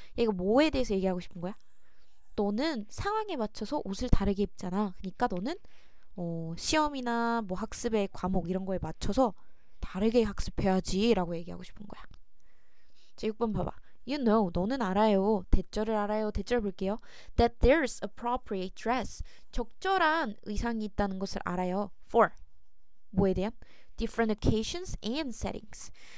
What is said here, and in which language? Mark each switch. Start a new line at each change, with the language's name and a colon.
Korean: 얘가 뭐에 대해서 얘기하고 싶은 거야? 너는 상황에 맞춰서 옷을 다르게 입잖아. 그러니까 너는 시험이나 뭐 학습의 과목 이런 거에 맞춰서 다르게 학습해야지 라고 얘기하고 싶은 거야. 자, 6번 봐봐.
English: You know,
Korean: 너는 알아요. 대절을 알아요. 대절 볼게요.
English: That there's appropriate dress.
Korean: 적절한 의상이 있다는 것을 알아요.
English: For.
Korean: 뭐에 대한?
English: Different occasions and settings.